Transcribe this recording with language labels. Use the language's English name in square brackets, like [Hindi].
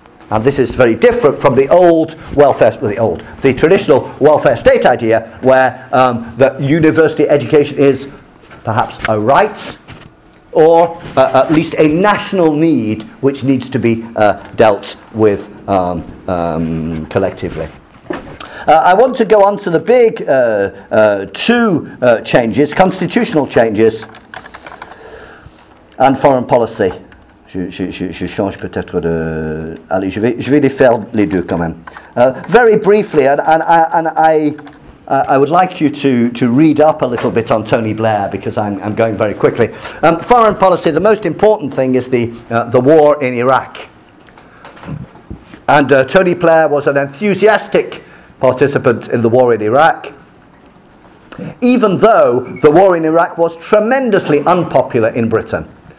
[English] And this is very different from the traditional welfare state idea, where that university education is perhaps a right, or at least a national need which needs to be dealt with collectively. I want to go on to the big two changes, constitutional changes and foreign policy. [French] Je change peut-être de... Allez, je vais les faire les deux quand même. [English] Very briefly, I would like you to read up a little bit on Tony Blair because I'm going very quickly. Foreign policy, the most important thing is the war in Iraq. And Tony Blair was an enthusiastic participant in the war in Iraq, even though the war in Iraq was tremendously unpopular in Britain.